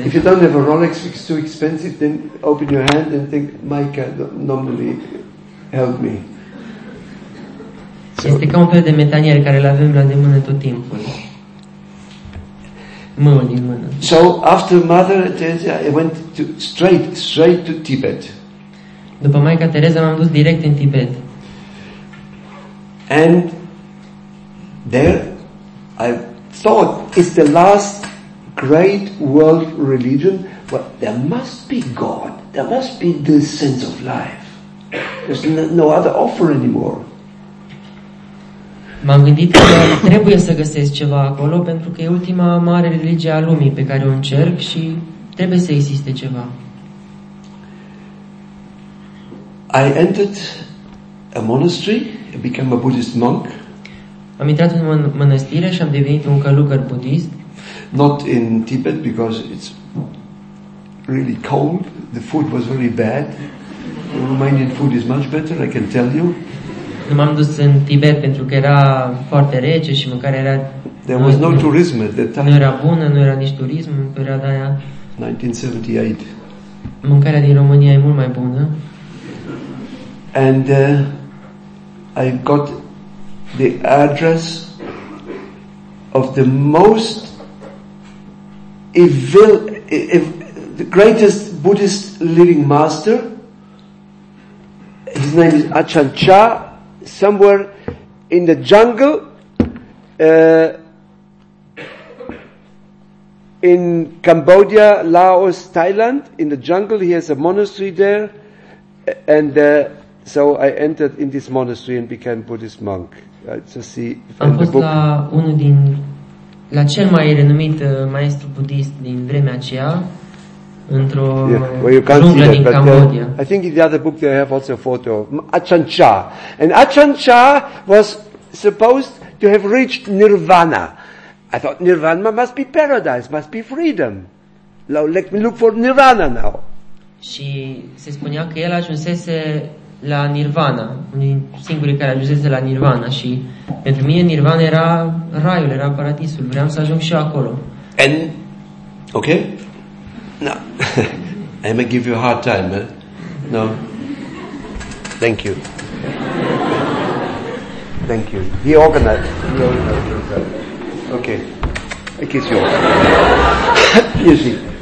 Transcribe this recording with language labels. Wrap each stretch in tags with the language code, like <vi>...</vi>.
<en>If you don't have a Rolex, it's too expensive, then open your hand and think, Maica, normally, help me.</en> <ro>So, este ca un fel de metanier care îl avem la îndemână tot timpul. Mâul din mână.</ro> <en>So after Mother Teresa, I went to straight to Tibet.</en> <ro>După Maica Teresa m-am dus direct în Tibet.</ro> <en>And there I thought it's the last great world religion, but there must be God, there must be the sense of life. There's no other offer anymore.</en> <ro>M-am gândit că trebuie să găsesc ceva acolo, pentru că e ultima mare religie a lumii pe care o încerc și trebuie să existe ceva.</ro> <en>I entered a monastery, I became a Buddhist monk.</en> <ro>Am intrat în mănăstire și am devenit un călugăr budist.</ro> <en>Not in Tibet because it's really cold. The food was really bad. Romanian food is much better, I can tell you.</en> <ro>Nu m-am dus în Tibet pentru că era foarte rece și mâncarea era...</ro> <en>There was no tourism at that time.</en> <ro>Nu era bună, nu era nici turism în perioada aia. 1978. Mâncarea din România e mult mai bună.</ro> <en>And I got the address of the most evil, the greatest Buddhist living master. His name is Ajahn Chah. Somewhere in the jungle, in Cambodia, Laos, Thailand, in the jungle, he has a monastery there, and so I entered in this monastery and became Buddhist monk.</en> <ro>Am fost la unul din la cel mai renumit maestru budist din vremea aceea.</ro> <en>Well, you can't see that, but I think in the other book they have also a photo of Ajahn Chah. And Ajahn Chah was supposed to have reached Nirvana. I thought Nirvana must be paradise, must be freedom. Now let me look for Nirvana now.</en> <ro>Și se spunea că el ajunsese la Nirvana, singurii care ajunsese la Nirvana. Și pentru mine Nirvana era raiul, era paradisul. Vreau să ajung și acolo.</ro> <en>And okay. No, I may give you a hard time, eh? No. Thank you. Thank you. He organized. Okay. I kiss you. You see.</en>